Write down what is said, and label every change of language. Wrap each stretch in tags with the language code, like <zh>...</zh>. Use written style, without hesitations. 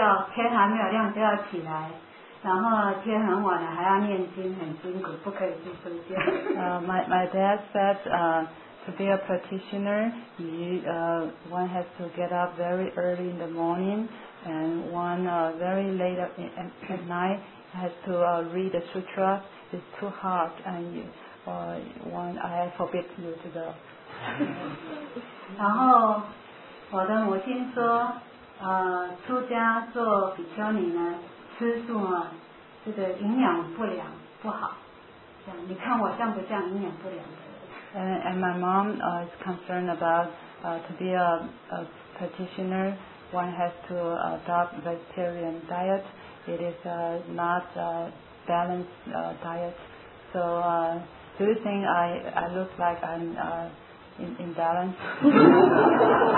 <zh>我的父亲说，这个出家要天还没有亮就要起来。然后天很晚了还要念经，很辛苦，不可以去睡觉。</zh> <en>My dad said, to be a practitioner, one has to get up very early in the morning, and one very late at night has to read the sutra. It's too hard, and I forbid you to go.</en> <zh>然后我的母亲说，出家做比丘尼呢，吃素啊。这个营养不良不好，你看我像不像营养不良的人？</zh> <en>And my mom is concerned about to be a practitioner. One has to adopt vegetarian diet. It is not a balanced diet. So do you think I look like I'm in balance?</en>